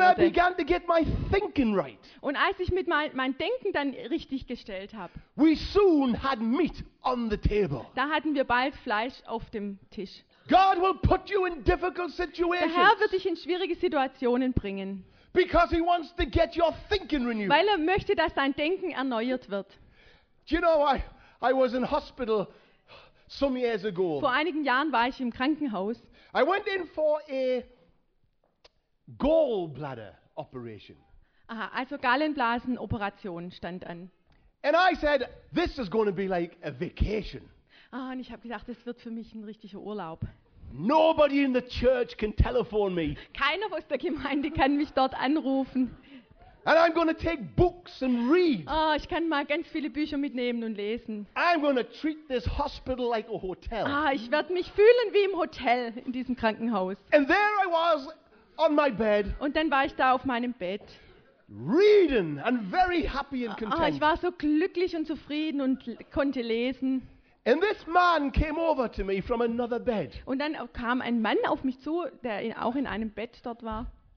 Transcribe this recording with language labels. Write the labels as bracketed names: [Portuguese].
[German] würde. [English] I began to get my thinking right. [German] Und als ich mein Denken dann richtig gestellt habe. [English] We soon had meat on the table. [German] Da hatten wir bald Fleisch auf dem Tisch. [English] God will put you in difficult situations. [German] Der Herr wird dich in schwierige Situationen bringen. [English] Because he wants to get your thinking renewed. [German] Weil möchte, dass dein Denken erneuert wird. [English] Do you know I was in hospital some years ago. [German] Vor einigen Jahren war ich im Krankenhaus. [English] I went in for a gallbladder operation. [German] Aha, also Gallenblasenoperation stand an. [English] And I said, this is going to be like a vacation. [German] Ah, und ich habe gedacht, das wird für mich ein richtiger Urlaub. [English] Nobody in the church can telephone me. [German] Keiner aus der Gemeinde kann mich dort anrufen. [English] And I'm gonna take books and read. [German] Oh, ich kann mal ganz viele Bücher mitnehmen und lesen. [English] I'm gonna treat this hospital like a hotel. [German] Ah, ich werde mich fühlen wie im Hotel in diesem Krankenhaus. [English] And there I was on my bed. [German] Und dann war ich da auf meinem Bett. [English] Reading and very happy and content. [German] Ah, ich war so glücklich und zufrieden und konnte lesen. [English] And this man came over to me from another bed. [German] Und dann kam ein Mann auf mich zu, der auch in einem Bett dort war.